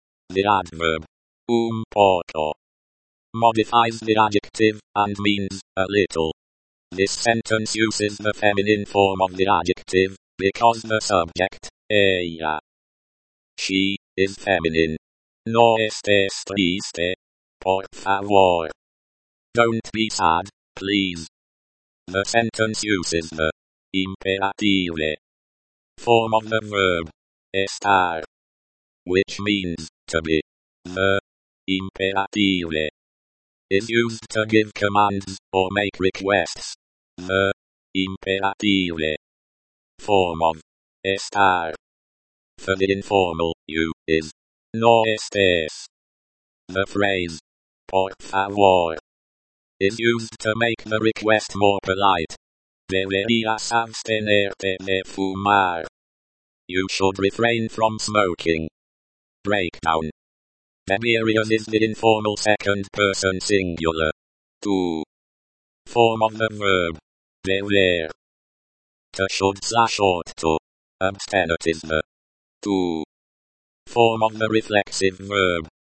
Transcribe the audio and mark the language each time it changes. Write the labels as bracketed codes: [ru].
[en] The adverb [es] un poco [en] modifies the adjective, and means, a little. This sentence uses the feminine form of the adjective, because the subject, ella, she, is feminine. [es] No estés triste, por favor. [en] Don't be sad, please. The sentence uses the imperative form of the verb, estar, which means, to be. The imperative is used to give commands, or make requests. The imperative form of estar. For the informal, you, is, [es] no estés. [en] The phrase, [es] por favor, [en] is used to make the request more polite. [es] Deberías abstenerte de fumar. [en] You should refrain from smoking. Breakdown. Deberías is the informal second person singular. Tú. Form of the verb. Deber. To should slash ought to. Abstenerte is the. Tú. Form of the reflexive verb.